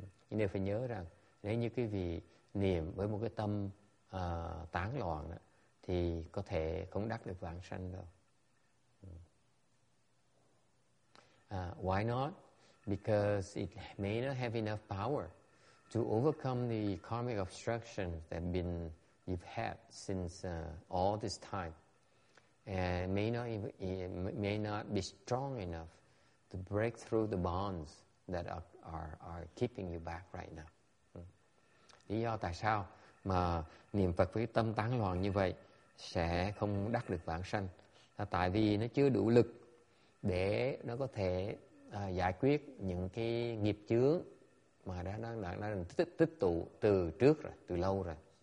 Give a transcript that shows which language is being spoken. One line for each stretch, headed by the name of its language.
Vietnamese: Nên phải nhớ rằng nếu như quý vị niệm với một cái tâm tán loạn đó, thì có thể không đắc được vãng sanh đâu.
English: Why not? Because it may not have enough power to overcome the karmic obstructions that you've had since all this time, and may not be strong enough to break through the bonds that are keeping you back right now.
Vietnamese: Lý do tại sao mà niệm Phật với tâm tán loạn như vậy sẽ không đắc được vãng sanh là tại vì nó chưa đủ lực để nó có thể giải quyết những cái nghiệp chướng mà đã tích tụ từ trước rồi, từ lâu rồi.